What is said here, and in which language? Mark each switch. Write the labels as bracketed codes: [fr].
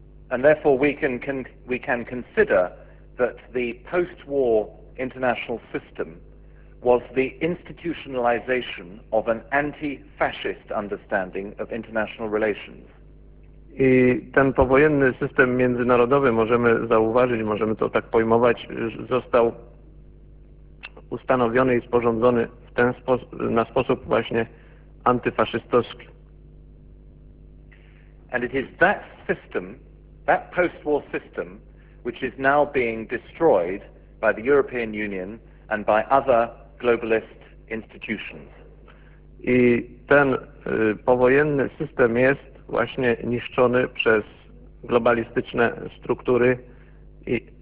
[en] And therefore we can consider that the post-war international system was the institutionalization of an anti-fascist understanding of international relations. [pl] I ten powojenny system międzynarodowy, możemy zauważyć, możemy to tak pojmować, został ustanowiony i sporządzony w ten sposób właśnie antyfaszystowski. [en] And it is that system, that post-war system, which is now being destroyed by the European Union and by other globalist institutions. [pl] I ten powojenny system jest właśnie niszczony przez globalistyczne struktury i